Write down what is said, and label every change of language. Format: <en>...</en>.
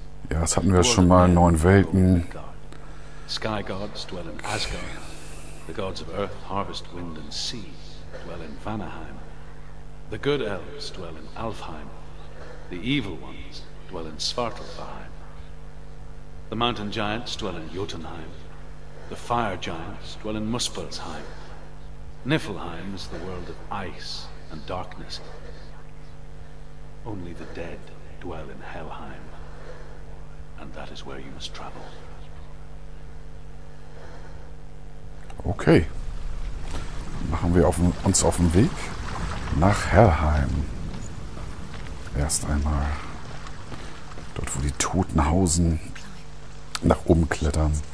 <de>Ja, das hatten wir schon mal, 9 Welten.</de> <en>Sky Gods dwell in Asgard. The gods of earth, harvest, wind and sea dwell in Vanaheim. The good elves dwell in Alfheim. The evil ones dwell in Svartalfheim. The mountain giants dwell in Jotunheim. The fire giants dwell in Muspelheim. Niflheim is the world of ice and darkness. Only the dead dwell in Helheim. And that is where you must travel.</en> <de>Okay, machen wir uns auf den Weg nach Helheim. Erst einmal dort, wo die Toten hausen, nach oben klettern.</de>